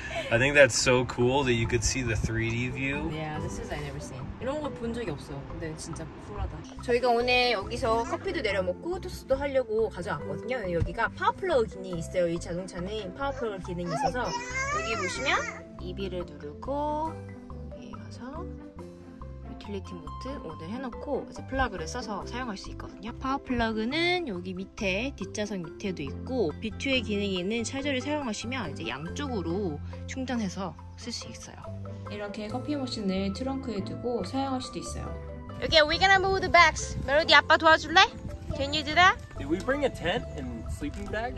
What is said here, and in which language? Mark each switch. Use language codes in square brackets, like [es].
[en] I think that's so cool that you could see the 3D view. Yeah, this is I never seen. [ko] 이런 거 본 적이 없어. 근데 진짜 쿨하다. 저희가 오늘 여기서 커피도 내려먹고 토스트도 하려고 가져왔거든요. 여기가 파워플러그 기능이 있어요. 이 자동차는 파워플러그 기능이 있어서 여기 보시면 EV를 누르고 여기 가서 유틸리티 모드 오늘 해놓고 이제 플러그를 써서 사용할 수 있거든요. 파워 플러그는 여기 밑에 뒷좌석 밑에도 있고 B2의 기능이 있는 차저를 사용하시면 이제 양쪽으로 충전해서 쓸 수 있어요. 이렇게 커피 머신을 트렁크에 두고 사용할 수도 있어요. [en] Okay, we're gonna move the bags. [ko] 멜로디 아빠 도와줄래? [en] Can you do that? Did we bring a tent and sleeping bags?